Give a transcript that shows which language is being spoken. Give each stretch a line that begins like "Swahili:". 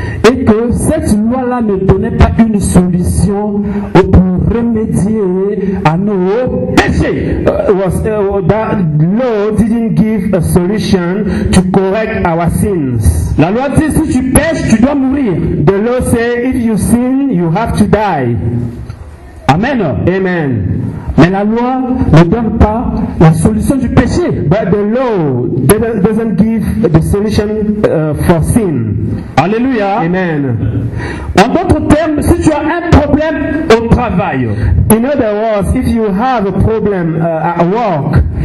French: Et que cette loi-là ne donnait pas une solution pour remédier à nos péchés.
English: That law didn't give a solution to correct our sins.
French: La loi dit si tu pèches, tu dois mourir.
English: The law says if you sin, you have to die. Amen. Amen.
French: Mais la loi ne donne pas la solution du péché.
English: But the law doesn't give the solution for sin.
French: Alléluia. Amen. En d'autres termes, si tu as un problème au travail,
English: in other words, if you have a problem at work,